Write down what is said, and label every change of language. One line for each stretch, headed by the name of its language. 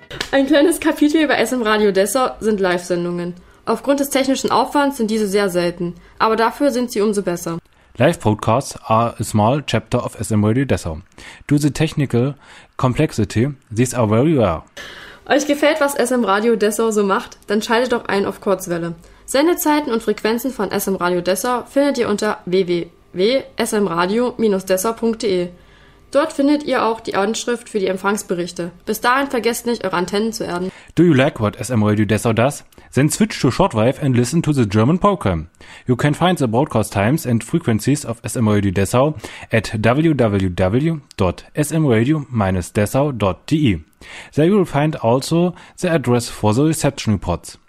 German: Ein kleines Kapitel über SM Radio Dessau sind Live-Sendungen. Aufgrund des technischen Aufwands sind diese sehr selten, aber dafür sind sie umso besser.
English: Live-Podcasts are a small chapter of SM Radio Dessau. Due to the technical complexity, these are very rare.
German: Euch gefällt, was SM Radio Dessau so macht? Dann schaltet doch ein auf Kurzwelle. Sendezeiten und Frequenzen von SM Radio Dessau findet ihr unter www.smradio-dessau.de. Dort findet ihr auch die Anschrift für die Empfangsberichte. Bis dahin vergesst nicht, eure Antennen zu erden.
English: Do you like what SM Radio Dessau does? Then switch to shortwave and listen to the German program. You can find the broadcast times and frequencies of SM Radio Dessau at www.smradio-dessau.de. There you will find also the address for the reception reports.